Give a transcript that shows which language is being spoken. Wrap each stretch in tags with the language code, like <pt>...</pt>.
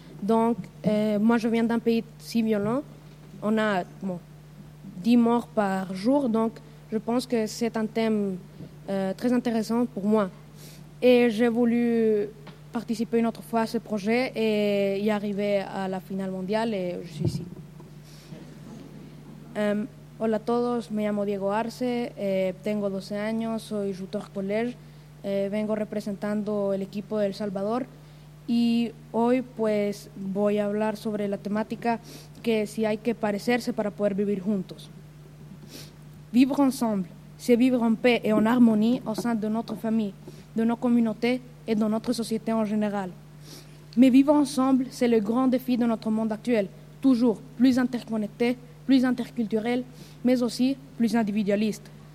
<fr>Donc, moi, je viens d'un pays si violent. On a 10 morts par jour. Donc, je pense que c'est un thème très intéressant pour moi. Et j'ai voulu participer une autre fois à ce projet et y arriver à la finale mondiale. Et je suis ici.</fr> <es>Hola a todos, me llamo Diego Arce, tengo 12 años, soy</es> <fr>jouteur collège,</fr> <es>vengo representando el equipo de El Salvador y hoy pues voy a hablar sobre la temática que si hay que parecerse para poder vivir juntos.</es> <fr>Vivre ensemble, c'est vivre en paix et en harmonie au sein de notre famille, de nos communautés et de notre société en général. Mais vivre ensemble, c'est le grand défi de notre monde actuel, toujours plus interconnecté, plus interculturel, mais aussi plus individualiste.</fr>